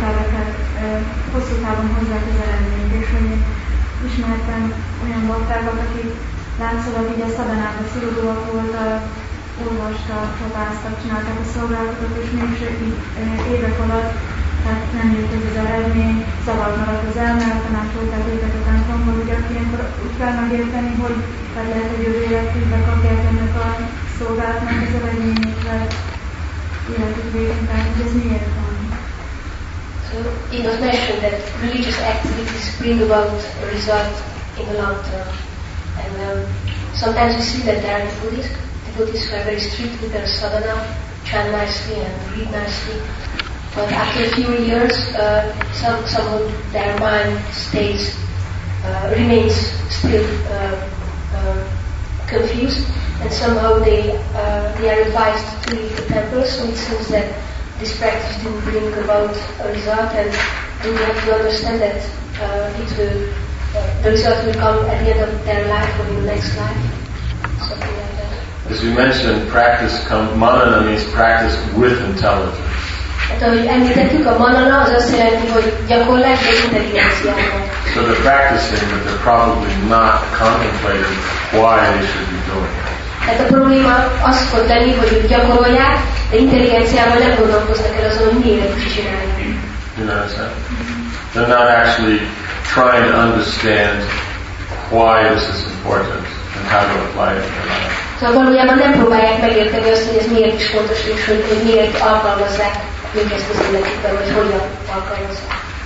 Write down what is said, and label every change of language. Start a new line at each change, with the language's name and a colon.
Hungarian: Na, hosszú távon hozzá közel emlék, és hogy ismertem olyan baktákat, akik láncolat így a szaben állt a szigorúak volt, olvastak, csapáztak, csinálták a szolgálatokat, és mégis évek alatt tehát nem jött ez az eredmény, szabad maradt az elme, tanácsolták őket a templomban, hogy aki ilyenkor úgy kell megérteni, hogy tehát lehet, hogy jövő életükbe kapják ennek a szolgálatnak az eredményét, tehát életük végén, tehát hogy ez miért van.
English: It was mentioned that religious activities bring about a result in the long term. And sometimes we see that there are devotees who are very strict with their sadhana, chant nicely and read nicely. But after a few years, some of their mind stays, remains still confused, and somehow they are advised to leave the temple, so it seems that this practice do bring about a result, and we have to understand that the result will come at the end of their life or in the next life, something like that. As you mentioned, practice comes, manana means practice with intelligence.
Hungarian: Hát ahogy említettük, a manana az azt jelenti, hogy gyakorlás és intelligenciája.
English: So they're practicing, but they're probably not contemplating why they should be doing it.
Hungarian: Hát a probléma az fog lenni, hogy gyakorolják, de intelligenciával nem gondolkoznak el azon, hogy miért is csinálják.
English: They're not actually trying to understand why this is important and how to apply it in their life.
Hungarian: Szóval valójában nem próbálják megérteni azt, hogy ez miért is fontos, és hogy, hogy miért alkalmazzák mindezt az életükben, vagy hogyan alkalmazzák.